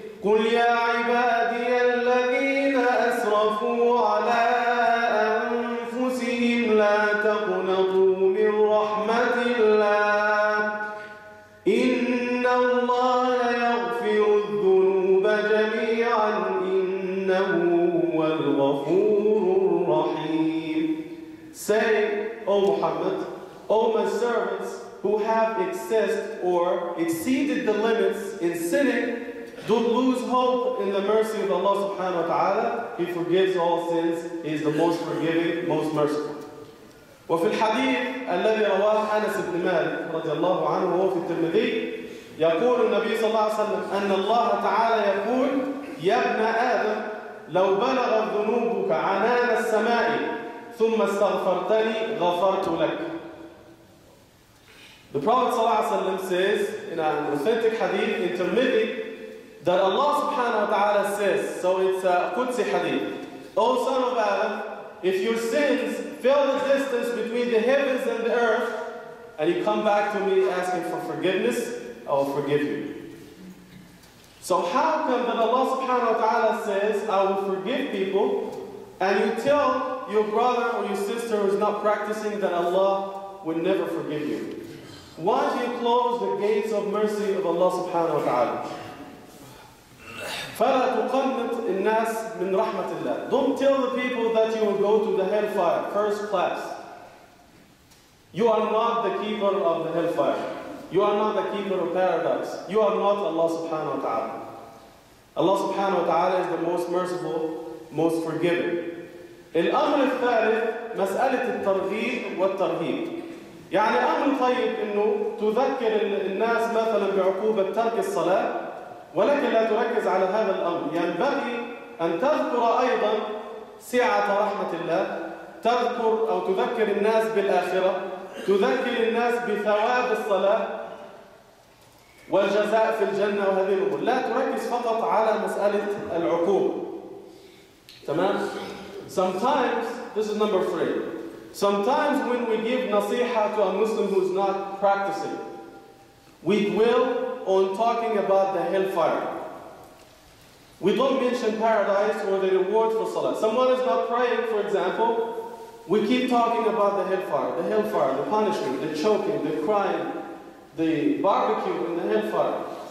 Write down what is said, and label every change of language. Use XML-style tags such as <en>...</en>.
<ar>قل يا عبادي الذين أسرفوا على أنفسهم لا تقنطوا من رحمة الله إن الله يغفر الذنوب جميعا إنه هو الغفور الرحيم.</ar> <en>Say, O Muhammad, O my servants who have excessed or exceeded the limits in sinning, don't lose hope in the mercy of Allah subhanahu wa ta'ala. He forgives all sins. He is the most forgiving, most merciful.</en> <ar>وفي الحديث الذي رواه أنس بن مالك رضي الله عنه وهو في الترمذي يقول النبي صلى الله عليه وسلم أن الله تعالى يقول يا ابن آدم لو بلغت ذنوبك عنان السماء ثم استغفرتني غفرت لك.</ar> <en>The Prophet صلى الله عليه وسلم says in an authentic hadith in Tirmidhi that Allah subhanahu wa ta'ala says, so it's a Qudsi hadith, O son of Adam, if your sins fill the distance between the heavens and the earth, and you come back to me asking for forgiveness, I will forgive you. So how come that Allah subhanahu wa ta'ala says, I will forgive people, and you tell your brother or your sister who is not practicing that Allah will never forgive you? Why do you close the gates of mercy of Allah subhanahu wa ta'ala?</en> <ar>فَلَا تُقَنِّطْ النَّاسِ مِنْ رَحْمَةِ اللَّهِ.</ar> <en>Don't tell the people that you will go to the hellfire, first class. You are not the keeper of the hellfire. You are not the keeper of paradise. You are not Allah subhanahu wa ta'ala. Allah subhanahu wa ta'ala is the most merciful, most forgiving.</en> <ar>الأمر الثالث مسألة الترغيب والترهيب. يعني أمر طيب إنه تذكر الناس مثلا بعقوبة ترك الصلاة ولكن لا تركز على هذا الأمر. ينبغي أن تذكر أيضا سعة رحمة الله، تذكر أو تذكر الناس بالآخرة، تذكر الناس بثواب الصلاة والجزاء في الجنة وهذه الأمور، لا تركز فقط على مسألة العقوبة. تمام؟</ar> <en>Sometimes, this is number three. Sometimes when we give nasiha to a Muslim who is not practicing, we dwell on talking about the hellfire. We don't mention paradise or the reward for salah. Someone is not praying, for example, we keep talking about the hellfire, the punishment, the choking, the crying, the barbecue in the hellfire.</en>